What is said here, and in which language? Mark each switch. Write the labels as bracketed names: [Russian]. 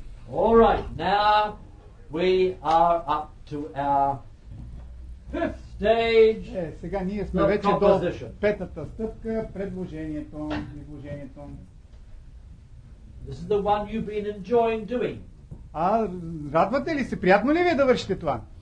[English] All right, now we are up to our fifth stage. [Bulgarian] Е, сега ние сме вече до петата стъпка, предложението, изложението. [English] This is the one you've been enjoying doing. [Bulgarian] А радвате ли се, приятно ли ви е да вършите това?